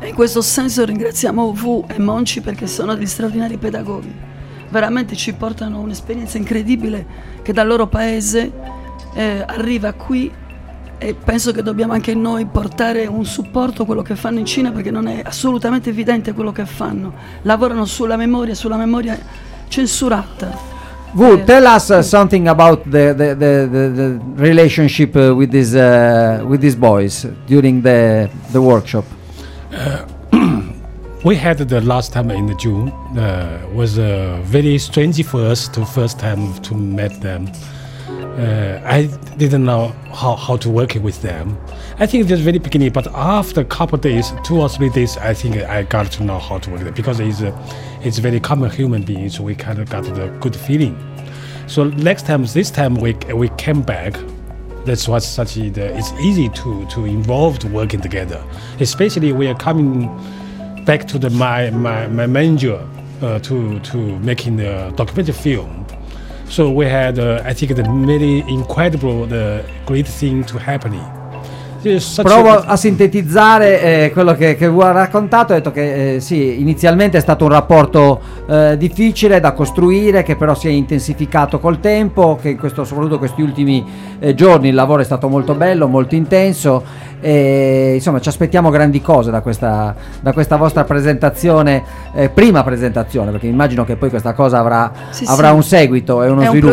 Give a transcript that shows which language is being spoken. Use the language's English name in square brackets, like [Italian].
[Italian] In questo senso ringraziamo Wu e Monci, perché sono degli straordinari pedagoghi, veramente ci portano un'esperienza incredibile che dal loro paese arriva qui, e penso che dobbiamo anche noi portare un supporto a quello che fanno in Cina, perché non è assolutamente evidente quello che fanno. Lavorano sulla memoria censurata. [English] Wu, tell us something about the relationship with these boys during the workshop. We had the last time in June was very strange for us, the first time to meet them. I didn't know how to work with them. I think just very beginning, but after a couple of days, two or three days, I think I got to know how to work with them, because it's very common human beings, so we kind of got the good feeling. So next time, this time we came back. That's what such it's easy to involve working together. Especially we are coming back to my manager to making the documentary film. So we had, I think, the really incredible, the great thing to happening. [Italian] Provo a sintetizzare quello che Wu ha raccontato. Ha detto che sì, inizialmente è stato un rapporto difficile da costruire, che però si è intensificato col tempo, che soprattutto questi ultimi giorni il lavoro è stato molto bello, molto intenso, e insomma ci aspettiamo grandi cose da questa vostra presentazione, prima presentazione, perché immagino che poi questa cosa avrà un seguito e uno sviluppo.